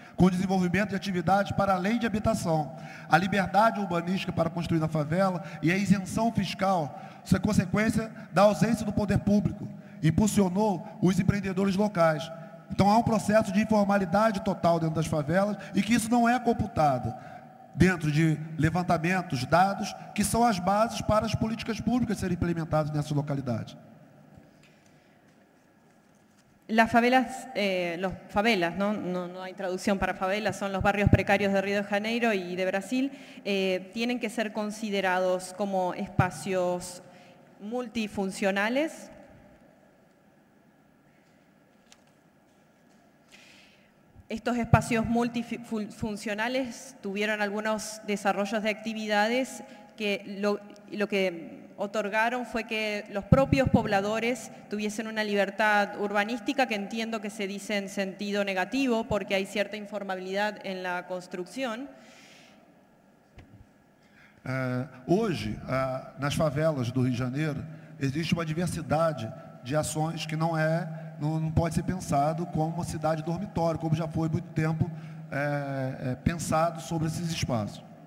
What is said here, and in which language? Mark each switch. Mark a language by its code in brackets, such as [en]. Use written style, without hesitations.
[pt] com desenvolvimento de atividades para além de habitação. A liberdade urbanística para construir na favela e a isenção fiscal são consequência da ausência do poder público, impulsionou os empreendedores locais. Então há um processo de informalidade total dentro das favelas e que isso não é computado dentro de levantamentos, dados, que são as bases para as políticas públicas serem implementadas nessa localidade. [es] Las favelas, no hay traducción para favelas, son los barrios precarios de Río de Janeiro y de Brasil, tienen que ser considerados como espacios multifuncionales. Estos espacios multifuncionales tuvieron algunos desarrollos de actividades que lo que otorgaron fue que los propios pobladores tuviesen una libertad urbanística, que entiendo que se dice en sentido negativo porque hay cierta informabilidad en la construcción. [pt] Hoje, nas favelas do Rio de Janeiro, existe uma diversidade de ações que não pode ser pensado como uma cidade dormitório, como já foi muito tempo pensado sobre esses espaços.